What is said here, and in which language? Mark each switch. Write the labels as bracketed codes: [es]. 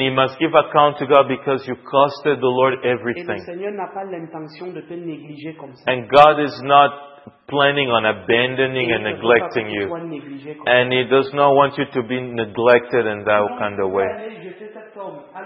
[en] he must give account to God because you costed the Lord everything. [fr] Et le Seigneur n'a pas l'intention de te négliger comme ça. [en] And God is not planning on abandoning and neglecting you. And he does not want you to be neglected in that kind of way.